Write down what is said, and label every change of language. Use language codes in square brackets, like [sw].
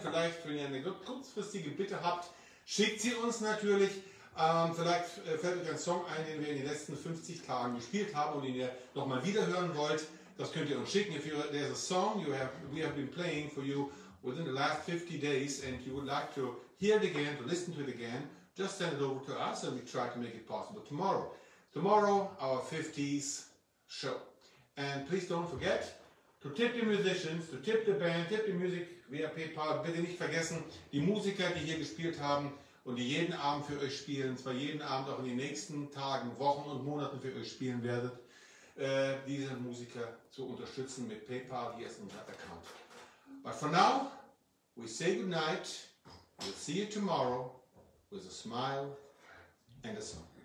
[de] Vielleicht, wenn ihr eine kurzfristige Bitte habt, schickt sie uns natürlich. Vielleicht fällt euch ein Song ein, den wir in den letzten 50 Tagen gespielt haben und den ihr nochmal wiederhören wollt. Das könnt ihr uns schicken. [en] If you, there's a song you have, we have been playing for you within the last 50 days and you would like to hear it again, to listen to it again, just send it over to us and we try to make it possible tomorrow. Tomorrow, our 50s show. And please don't forget to tip the musicians, to tip the band, tip the music via PayPal. [de] Bitte nicht vergessen, die Musiker, die hier gespielt haben und die jeden Abend für euch spielen, zwar jeden Abend auch in den nächsten Tagen, Wochen und Monaten für euch spielen werdet, diese Musiker zu unterstützen mit PayPal, hier ist unser Account. [en] But for now, we say good night. We'll see you tomorrow with a smile and a song.